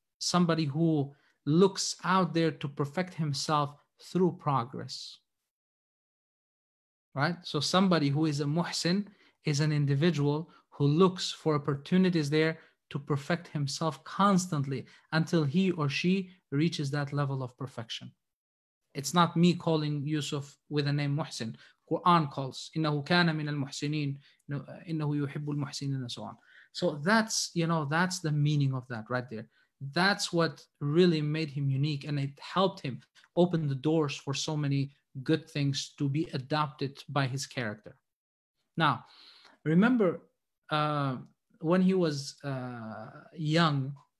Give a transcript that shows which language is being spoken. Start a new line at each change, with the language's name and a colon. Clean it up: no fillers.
English: Somebody who looks out there to perfect himself through progress. Right? So somebody who is a Muhsin is an individual who looks for opportunities there to perfect himself constantly until he or she reaches that level of perfection. It's not me calling Yusuf with the name Muhsin. Quran calls,
Arabic: إِنَّهُ كَانَ مِنَ الْمُحْسِنِينَ إِنَّهُ يُحِبُّ الْمُحْسِنِينَ
English: and so on. So that's, you know, that's the meaning of that right there. That's what really made him unique, and it helped him open the doors for so many good things to be adopted by his character. Now, remember when he was young,